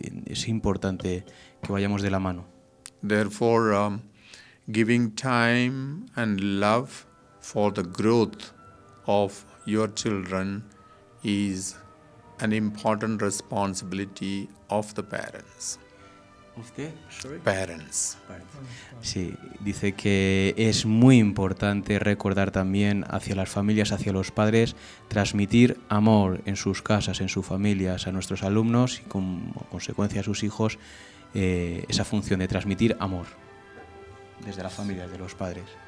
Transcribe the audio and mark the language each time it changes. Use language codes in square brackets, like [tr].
[es] Es importante que vayamos de la mano. [en] Therefore, giving time and love for the growth of your children is an important responsibility of the parents. Parents. [es] Sí, dice que es muy importante recordar también hacia las familias, hacia los padres, transmitir amor en sus casas, en sus familias, a nuestros alumnos y como consecuencia a sus hijos, esa función de transmitir amor desde la familia, de los padres.